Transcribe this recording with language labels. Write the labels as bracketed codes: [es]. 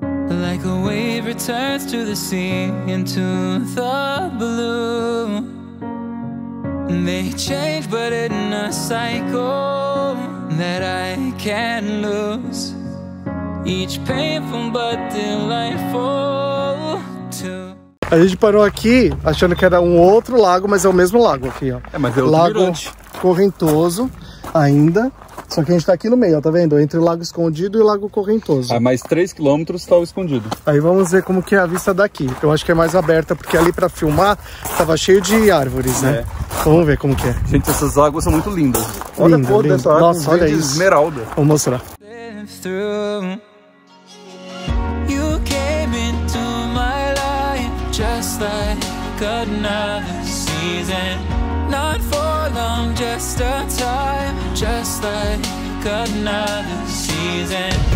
[en] Like a wave returns to the sea into the blue. They change but in a cycle that I can't lose. Each painful but delightful too. [pt] A gente parou aqui achando que era um outro lago, mas é o mesmo lago aqui, ó. É, mas é outro lago mirante. Correntoso ainda. Só que a gente tá aqui no meio, ó, tá vendo? Entre o lago escondido e o lago correntoso. Ah, mais 3 quilômetros tá o escondido. Aí vamos ver como que é a vista daqui. Eu acho que é mais aberta, porque ali pra filmar tava cheio de árvores, né? É. Vamos ver como que é. Gente, essas águas são muito lindas. Olha linda, a cor dessa água. Nossa, olha isso. Esmeralda. Vou mostrar. [en] You came into my life just like another season. Not for long, just a time, just like another season.